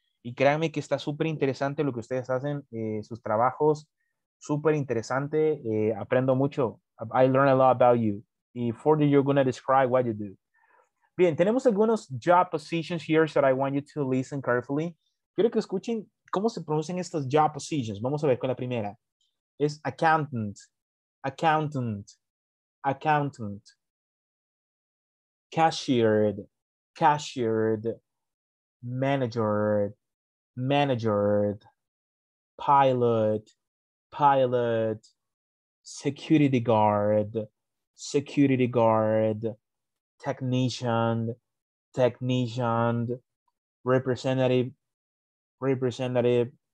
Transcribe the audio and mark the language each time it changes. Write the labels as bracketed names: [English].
[Spanish] Y créanme que está súper interesante lo que ustedes hacen, sus trabajos. Súper interesante. Aprendo mucho. [English] I learn a lot about you. Y further, you're going to describe what you do. [Spanish] Bien, tenemos algunos [English] job positions here that I want you to listen carefully. [Spanish] Quiero que escuchen cómo se pronuncian estas job positions. Vamos a ver con la primera. [English] Es accountant, accountant, accountant, cashiered, cashiered, managered, managered, pilot, pilot, security guard, technician, technician, representative, representative,